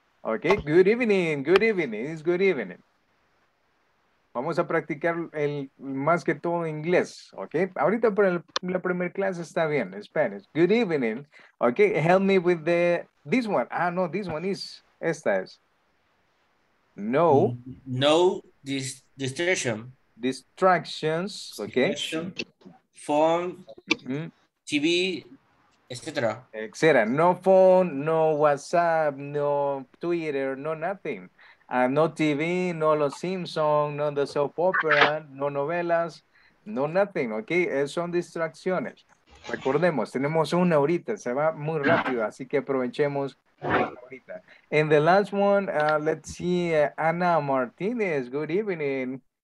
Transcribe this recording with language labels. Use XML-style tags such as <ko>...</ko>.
<en>Okay, good evening, good evening, it's good evening.</en> <es>Vamos a practicar el más que todo inglés, okay? Ahorita para la primera clase está bien, Spanish.</es> <en>Good evening, okay, help me with this one. Ah, no, this one is...</en> <es>Esta es.</es> <en>No. No distraction. Distractions. Okay. Phone, TV, etcétera. Etcétera. No phone, no WhatsApp, no Twitter, no nothing. No TV, no Los Simpsons, no the soap opera, no novelas, no nothing. Okay.</en> <es>Son distracciones. Recordemos, tenemos una horita, se va muy rápido, así que aprovechemos.</es> <en>And the last one, let's see, Ana Martinez, good evening.</en>